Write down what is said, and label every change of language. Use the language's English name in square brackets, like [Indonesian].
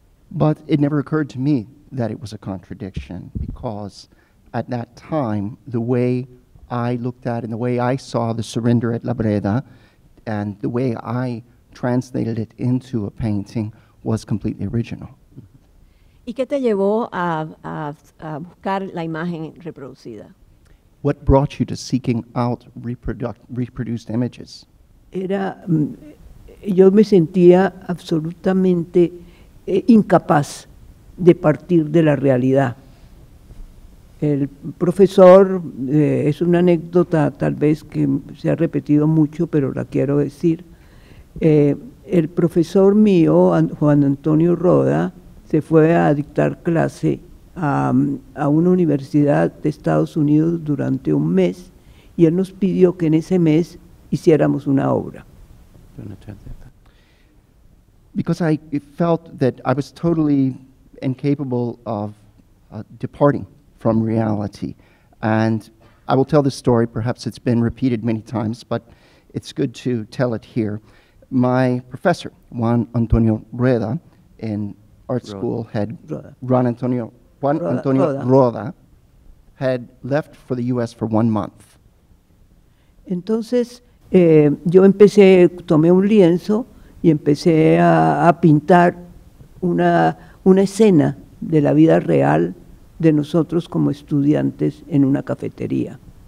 [English] But it never occurred to me that it was a contradiction, because at that time, the way I looked at and the way I saw the surrender at La Breda and the way I translated it into a painting was completely original. [Spanish] ¿Y qué te llevó a buscar la imagen reproducida? [English] What brought you to seeking out reproduced images? [Spanish] Yo me sentía absolutamente incapaz de partir de la realidad. El profesor, es una anécdota tal vez que se ha repetido mucho, pero la quiero decir. El profesor mío, Juan Antonio Roda, se fue a dictar clase a una universidad de Estados Unidos durante un mes, y él nos pidió que en ese mes hiciéramos una obra. [English] Because I felt that I was totally incapable of departing from reality. And I will tell this story, perhaps it's been repeated many times, but it's good to tell it here. My professor, Juan Antonio Roda, in art Roda. School had Roda. Juan Antonio Roda had left for the U.S. for 1 month. [Spanish] Entonces, yo empecé, tomé un lienzo y empecé a pintar una escena de la vida real de nosotros como estudiantes en una cafetería.